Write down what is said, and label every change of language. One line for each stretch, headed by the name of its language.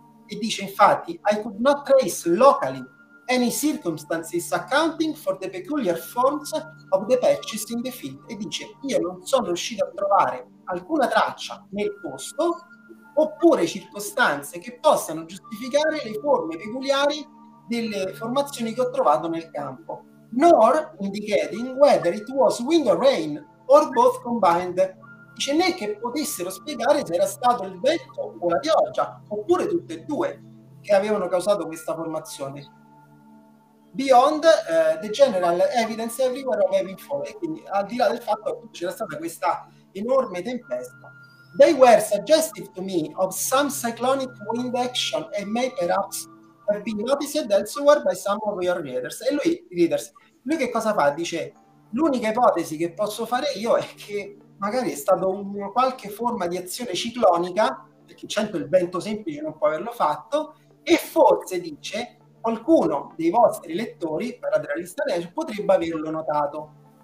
Italian: E dice, infatti,
English: I could not trace locally any circumstances accounting for the peculiar forms of the patches in the field.
Italian: E dice, io non sono riuscito a trovare alcuna traccia nel posto oppure circostanze che possano giustificare le forme peculiari delle formazioni che ho trovato nel campo.
English: Nor indicating whether it was wind or rain or both combined.
Italian: Dice né che potessero spiegare se era stato il vento o la pioggia, oppure tutte e due che avevano causato questa formazione.
English: Beyond the general evidence everywhere of having fallen,
Italian: quindi al di là del fatto che c'era stata questa enorme tempesta.
English: They were suggestive to me of some cyclonic wind action and may perhaps have been noticed elsewhere by some of your readers.
Italian: E lui, readers, lui che cosa fa? Dice, l'unica ipotesi che posso fare io è che magari è stata una qualche forma di azione ciclonica, perché certo il vento semplice non può averlo fatto, e forse, dice, qualcuno dei vostri lettori, per la lista legge, potrebbe averlo notato.